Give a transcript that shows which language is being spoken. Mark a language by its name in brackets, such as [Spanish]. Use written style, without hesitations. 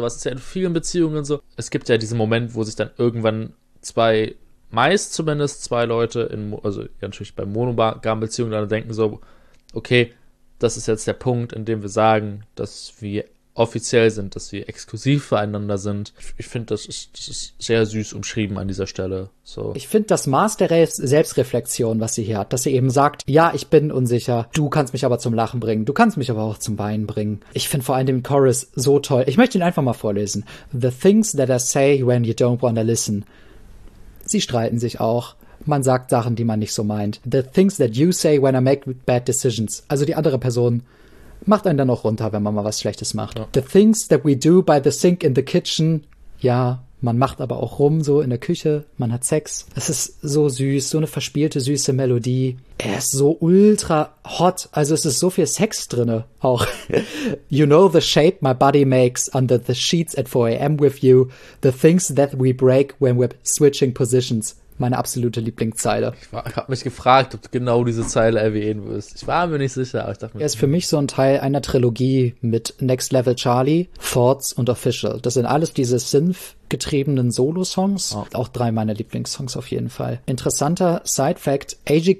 [German] Sowas ist ja in vielen Beziehungen so. Es gibt ja diesen Moment, wo sich dann irgendwann meist zumindest zwei Leute natürlich bei monogamen Beziehungen dann denken so, okay, das ist jetzt der Punkt, in dem wir sagen, dass wir offiziell sind, dass wir exklusiv füreinander sind. Ich finde, das ist sehr süß umschrieben an dieser Stelle. So. Ich finde das Maß der Selbstreflexion, was sie hier hat, dass sie eben sagt, ja, ich bin unsicher, du kannst mich aber zum Lachen bringen, du kannst mich aber auch zum Weinen bringen. Ich finde vor allem den Chorus so toll. Ich möchte ihn einfach mal vorlesen. [English] The things that I say when you don't wanna listen. [German] Sie streiten sich auch. Man sagt Sachen, die man nicht so meint. [English] The things that you say when I make bad decisions. [German] Also die andere Person macht einen dann auch runter, wenn man mal was Schlechtes macht. Ja. [English] The things that we do by the sink in the kitchen. [German] Ja, Man macht aber auch rum, so in der Küche, man hat Sex. Es ist so süß, so eine verspielte, süße Melodie. Er ist so ultra hot, also es ist so viel Sex drinne auch. [English] You know the shape my body makes under the sheets at 4 a.m. with you, the things that we break when we're switching positions. [German] Meine absolute Lieblingszeile. Ich habe mich gefragt, ob du genau diese Zeile erwähnen wirst. Ich war mir nicht sicher, aber ich dachte mir... Er ist für mich so ein Teil einer Trilogie mit Next Level Charlie, Thoughts und Official. Das sind alles diese Synth-getriebenen Solo-Songs. Oh. Auch drei meiner Lieblingssongs auf jeden Fall. Interessanter Side-Fact, A.G.